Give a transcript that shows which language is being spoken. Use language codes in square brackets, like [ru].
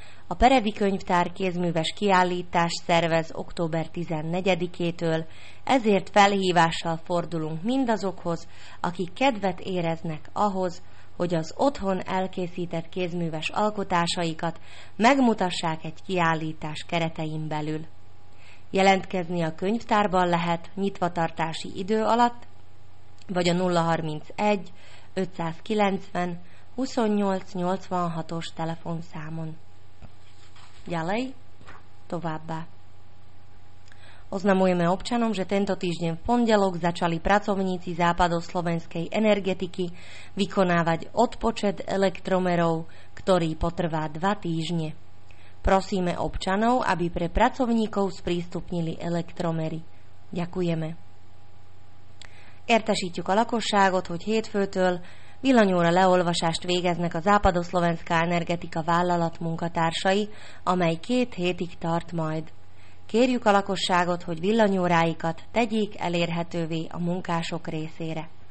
[hu] A perevikönyvtár kézműves kiállítás szervez október 14-től, ezért felhívással fordulunk mindazokhoz, akik kedvet éreznek ahhoz, hogy az otthon elkészített kézműves alkotásaikat megmutassák egy kiállítás keretein belül. Jelentkezni a könyvtárban lehet nyitvatartási idő alatt, vagy a 031 590 28 86-os telefonszámon. [sk] Ďalej, [hu] továbbá. [sk] Oznamujeme občanom, že tento týždeň v pondelok začali pracovníci západoslovenskej energetiky vykonávať odpočet elektromerov, ktorý potrvá 2 týždne. Prosíme občanov, aby pre pracovníkov sprístupnili elektromery. Ďakujeme. [hu] Értesítjük a lakosságot, hogy hétfőtől villanyóra leolvasást végeznek a Západoszlovenská Energetika vállalat munkatársai, amely 2 hétig tart majd. Kérjük a lakosságot, hogy villanyóráikat tegyék elérhetővé a munkások részére.